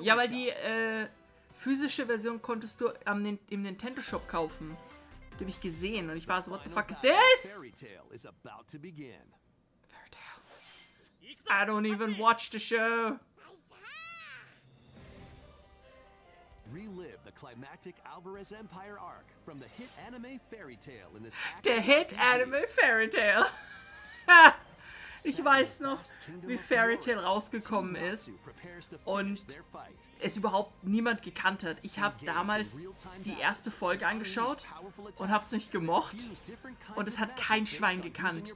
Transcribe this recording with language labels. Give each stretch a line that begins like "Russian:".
German: Ja, weil die physische Version konntest du im Nintendo Shop kaufen. den ich gesehen und ich war so,
English: what the fuck is this? Fairy Tale is about to begin. Fairy Tale. I don't even watch the show. Relive the climactic Alvarez Empire arc from the hit anime Fairy Tale in this. The hit anime Fairy Tale.
German: Ich weiß noch, wie Fairy Tale rausgekommen ist und es überhaupt niemand gekannt hat. Ich habe damals die erste Folge angeschaut und habe es nicht gemocht und es hat kein Schwein gekannt.